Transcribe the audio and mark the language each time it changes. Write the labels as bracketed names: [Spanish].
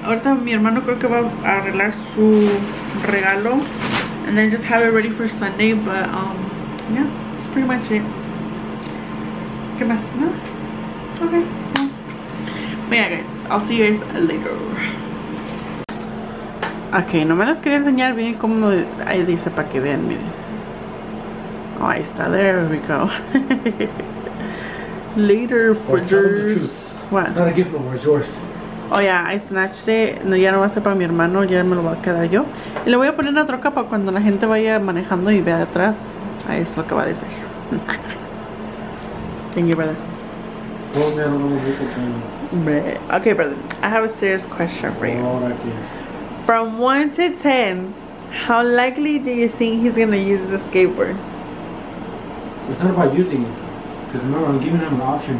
[Spanish] Ahorita mi hermano creo que va a arreglar su regalo. [English] And then just have it ready for Sunday. But yeah, that's pretty much it. [Spanish] ¿Qué más? [English] No? Okay. No. But yeah, guys, I'll see you guys later. [Spanish] Okay, nomás les quería enseñar bien cómo ahí dice para que vean, miren. [English] Oh, [Spanish] ahí está. [English] There we go. Later, Fudgers. What? Not a gift, but it's yours. Oh, yeah. I snatched it. [Spanish] No, ya no va a ser para mi hermano. Ya me lo va a quedar yo. Y le voy a poner otra capa cuando la gente vaya manejando y vea atrás. Ahí es lo que va a decir. [English] Thank you, brother. Okay, brother. I have a serious question for you. From 1 to 10, how likely do you think he's going to use the skateboard? It's not about using it, because remember, I'm giving him an option.